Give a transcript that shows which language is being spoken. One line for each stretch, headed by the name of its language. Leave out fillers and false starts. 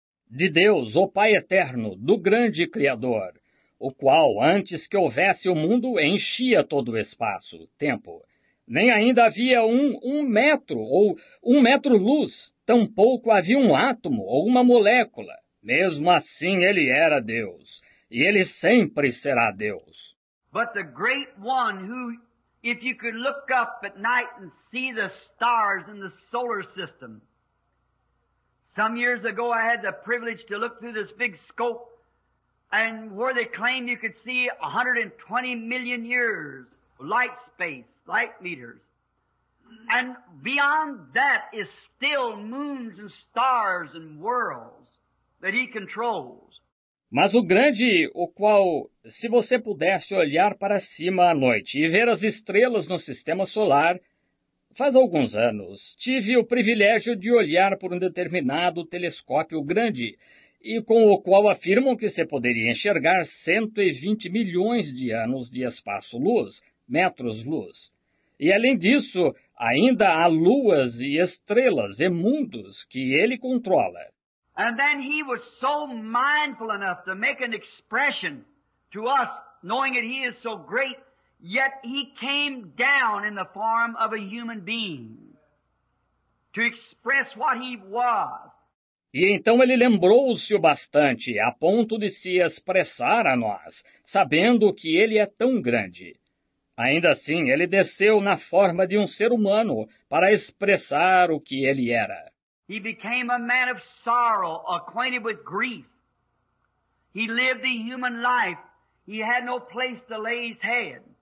Portuguese: De Deus, o Pai Eterno, do grande Criador, o qual, antes que houvesse o mundo, enchia todo o espaço, tempo. Nem ainda havia um metro ou um metro-luz. Tampouco havia um átomo ou uma molécula. Mesmo assim, ele era Deus. E ele sempre será Deus.
English: But the great one who, if you could look up at night and see the stars in the solar system. Some years ago I had the privilege to look through this big scope and where they claimed you could see 120 million years light space, light meters. And beyond that is still moons and stars and worlds that he controls.
Portuguese: Mas o grande, o qual, se você pudesse olhar para cima à noite e ver as estrelas no sistema solar, faz alguns anos, tive o privilégio de olhar por um determinado telescópio grande e com o qual afirmam que se poderia enxergar 120 milhões de anos de espaço-luz, metros-luz. E além disso, ainda há luas e estrelas e mundos que ele controla.
English: And then he was so mindful enough to make an expression to us, knowing that he is so great, yet he came down in the form of a human being to express what he was.
Portuguese: E então ele lembrou-se o bastante a ponto de se expressar a nós, sabendo que ele é tão grande. Ainda assim, ele desceu na forma de um ser humano para expressar o que ele era.
English: He became a man of sorrow, acquainted with grief. He lived the human life. He had no place to lay his head.